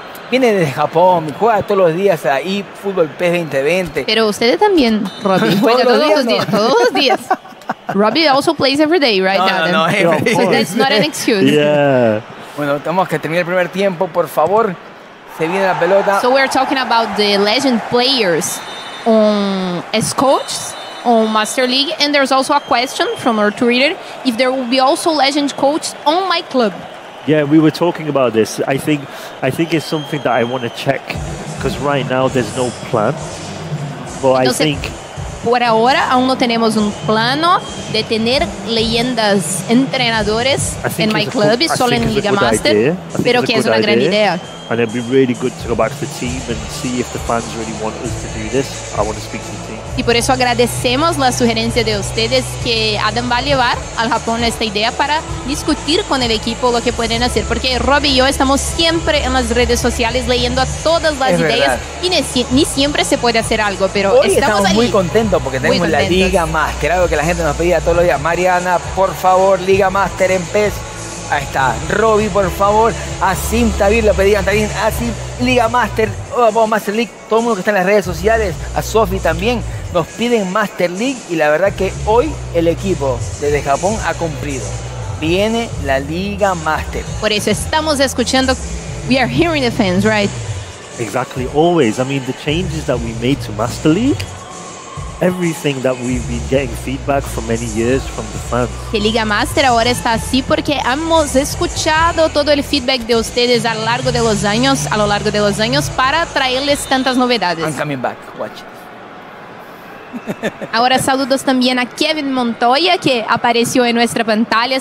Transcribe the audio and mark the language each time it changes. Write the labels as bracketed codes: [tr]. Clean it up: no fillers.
[es] Viene desde Japón. Juega todos los días ahí, fútbol PES 2020. Pero ustedes también, Robbie. Juega todos los días. [en] Robbie also plays every day, right, Adam? No, that's not an excuse. Yeah. [es] Bueno, tenemos que terminar el primer tiempo, por favor. Se viene la pelota. [en] So we're talking about the legend players as coaches on Master League, and there's also a question from our Twitter if there will be also legend coach on My Club. Yeah, we were talking about this. I think it's something that I want to check because right now there's no plan. But [es] entonces, [en] I think [es] por ahora aún no tenemos un plano de tener leyendas entrenadores en My Club, solo en Liga Master, pero que es una gran idea. [en] And it'd be really good to go back to the team and see if the fans really want us to do this. I want to speak to the team. [es] Y por eso agradecemos la sugerencia de ustedes que Adam va a llevar al Japón esta idea para discutir con el equipo lo que pueden hacer. Porque Rob y yo estamos siempre en las redes sociales leyendo a todas las ideas. Y ni siempre se puede hacer algo, pero hoy estamos muy contentos porque tenemos la Liga Master. Algo que la gente nos pedía todos los días. Mariana, por favor, Liga Master en PES. Ahí está, Robby, por favor, Asim, Tavir, lo pedían también, Asim, Liga Master, vamos, Master League, todo el mundo que está en las redes sociales, a Sofi también, nos piden Master League y la verdad que hoy el equipo desde Japón ha cumplido, viene la Liga Master. Por eso estamos escuchando, [en] we are hearing the fans, right? Exactly, always, I mean, the changes that we made to Master League, everything that we've been getting feedback for many years from the fans. [es] Que Liga Master ahora está así porque hemos escuchado todo el feedback de ustedes a lo largo de los años para traerles tantas novedades. [en] I'm coming back, watch. [es] Ahora saludos también a Kevin Montoya que apareció en nuestra pantalla.